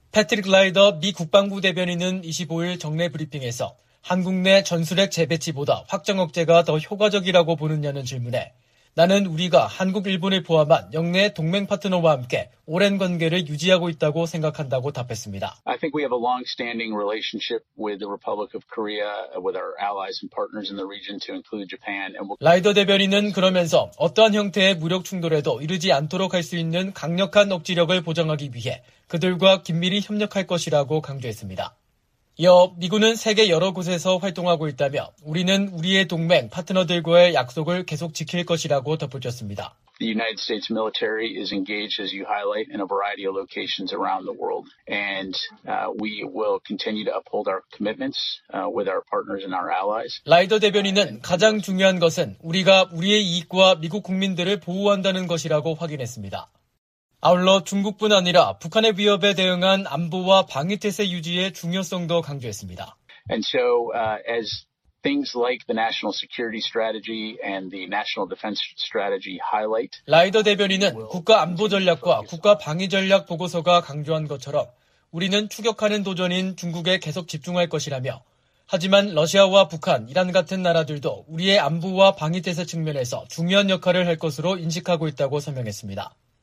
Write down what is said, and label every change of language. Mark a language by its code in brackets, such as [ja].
[ko] 패트릭 라이더 미 국방부 대변인은 25일 정례 브리핑에서 한국 내 전술핵 재배치보다 확정 억제가 더 효과적이라고 보느냐는 질문에 나는 우리가 한국, 일본을 포함한 역내 동맹 파트너와 함께 오랜 관계를 유지하고 있다고 생각한다고 답했습니다. [en] I think we have a long-standing relationship with the Republic of Korea, with our allies and partners in the region to include Japan. [ko] 라이더 대변인은 그러면서 어떠한 형태의 무력 충돌에도 이르지 않도록 할 수 있는 강력한 억지력을 보장하기 위해 그들과 긴밀히 협력할 것이라고 강조했습니다. 이어 미군은 세계 여러 곳에서 활동하고 있다며 우리는 우리의 동맹, 파트너들과의 약속을 계속 지킬 것이라고 덧붙였습니다. [en] The United States military is engaged, as you highlight, in a variety of locations around the world. And we will continue to uphold our commitments with our partners and our allies. [ko] 라이더 대변인은 가장 중요한 것은 우리가 우리의 이익과 미국 국민들을 보호한다는 것이라고 확인했습니다. 아울러 중국뿐 아니라 북한의 위협에 대응한 안보와 방위태세 유지의 중요성도 강조했습니다. [en] And so, as things like the National Security Strategy and the National Defense Strategy highlight, [ko] 라이더 대변인은 국가 안보 전략과 국가 방위 전략 보고서가 강조한 것처럼 우리는 추격하는 도전인 중국에 계속 집중할 것이라며 하지만 러시아와 북한, 이란 같은 나라들도 우리의 안보와 방위태세 측면에서 중요한 역할을 할 것으로 인식하고 있다고 설명했습니다.